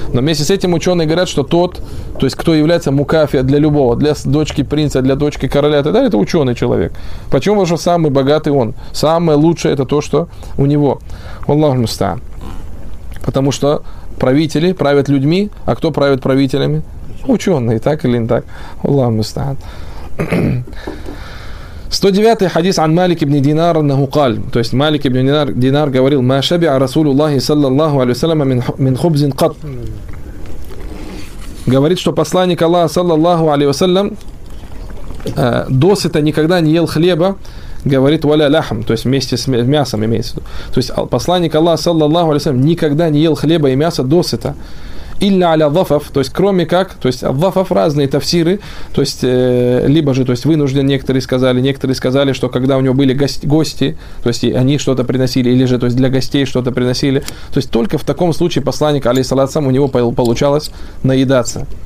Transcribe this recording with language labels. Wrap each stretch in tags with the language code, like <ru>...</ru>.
<ru>Но вместе с этим ученые говорят, что тот, то есть кто является мукафия для любого, для дочки принца, для дочки короля и так далее, это ученый человек. Почему? Потому что самый богатый он. Самое лучшее это то, что у него. Аллаху мустаан. Потому что правители правят людьми, а кто правит правителями? Ученые, так или не так. Аллаху мустаан. 109-й хадис</ru> <ar>عن مالك بن دينار انه قال,</ar> <ru>то есть Малик ибн Динар говорил:</ru> <ar>ما شبع رسول الله صلى الله عليه وسلم من خبز قط.</ar> <ru>Говорит, что посланник Аллаха саллаллаху алейхи ва саллям досыта никогда не ел хлеба, говорит, валя лахм, то есть вместе с мясом имеется в виду. То есть посланник Аллаха саллаллаху алейхи ва саллям никогда не ел хлеба и мяса досыта. Илля аля дзафаф, то есть кроме как, то есть дзафаф разные тафсиры, то есть либо же, то есть вынужден, некоторые сказали, что когда у него были гости, то есть они что-то приносили, или же, то есть для гостей что-то приносили, то есть только в таком случае посланник, алейхиссалатусалям, у него получалось наедаться.</ru>